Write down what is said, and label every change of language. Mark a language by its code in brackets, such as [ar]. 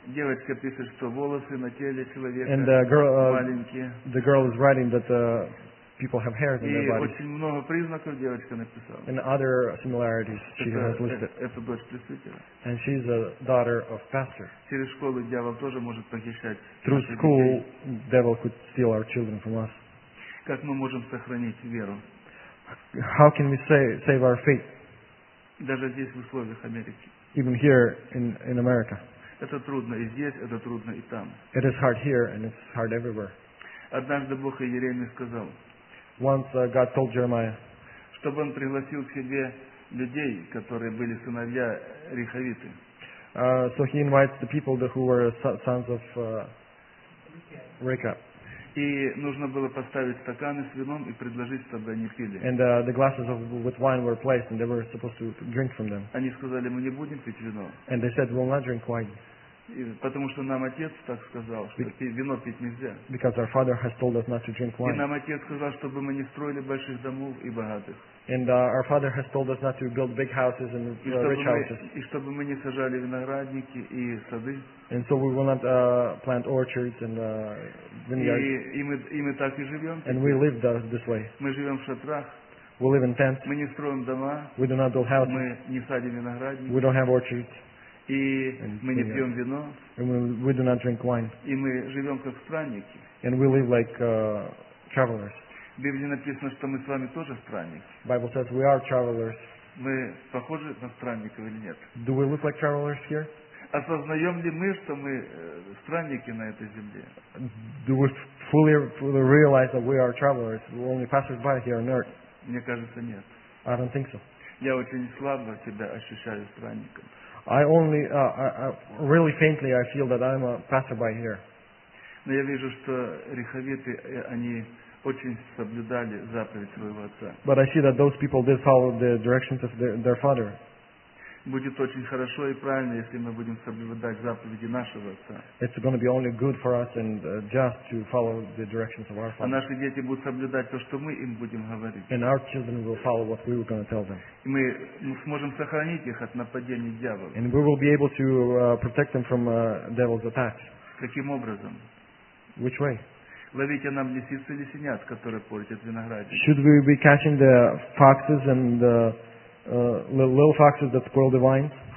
[ru] Девочка пишет, что волосы на теле человека маленькие. [en] The girl is writing that people have hairs in their bodies. [ru] И очень много признаков девочка написала. [en] And other similarities she has listed. [ru] Это дочь пресвитера. [en] And she's a daughter of pastor. [ru] Через школу дьявол тоже может похищать. [en] Through school, devil could steal our children from us. [ru] Как мы можем сохранить веру? [en] How can we save our faith? [ru] Даже здесь в условиях Америки. [en] Even here in America. [ru] Это трудно и здесь, это трудно и там. [en] It is hard here and it's hard everywhere. [ru] Однажды Бог Иеремии сказал. [en] Once God told Jeremiah. [ru] Чтобы он пригласил к себе людей, которые были сыновья Рехавиты. [en] So he invites the people who were sons of Rechab. [ru] И нужно было поставить стаканы с вином и предложить, чтобы они пили. [en] And the glasses with wine were placed and they were supposed to drink from them. [ru] Они сказали, мы не будем пить вино. [en] And they said, we'll not drink wine. [ru] Потому что нам отец так сказал, что вино пить нельзя. [en] Because our father has told us not to drink wine. [ru] И нам отец сказал, чтобы мы не строили больших домов и богатых. [en] And our father has told us not to build big houses and rich houses. [ru] И чтобы мы не сажали виноградники и сады. [en] And so we will not plant orchards and vineyards. [ru] И мы так и живем. [en] And we live this way. [ru] Мы живем в шатрах. [en] We live in tents. [ru] Мы не строим дома. [en] We do not build houses. [ru] Мы не садим виноградники. [en] We don't have orchards. [ru] И мы не пьем вино. [en] And we do not drink wine. [ru] И мы живем как странники. [en] And we live like travelers. [ru] В Библии написано, что мы с вами тоже странники. [en] Bible says we are travelers. [ru] Мы похожи на странников или нет? [en] Do we look like travelers here? [ru] Осознаем ли мы, что мы странники на этой земле? [en] Do we fully realize that we are travelers, we only passers by here on earth? [ru] Мне кажется, нет. [en] I don't think so. [ru] Я очень слабо себя ощущаю странником. [en] I only really faintly I feel that I'm a passerby here. [ru] Но я вижу, что риховиты, они очень соблюдали заповедь своего отца. [en] But I see that those people did follow the directions of their father. [ru] Будет очень хорошо и правильно, если мы будем соблюдать заповеди нашего отца. [en] It's going to be only good for us and just to follow the directions of our father. [ru] А наши дети будут соблюдать то, что мы им будем говорить. [en] And our children will follow what we were going to tell them. [ru] И мы сможем сохранить их от нападений дьявола. [en] And we will be able to protect them from devil's attacks. [ru] Каким образом? [en] Which way? [ru] Ловите нам лисицы или синят, которые портят виноградник. [en] Should we be catching the foxes and the little foxes that spoil the vines?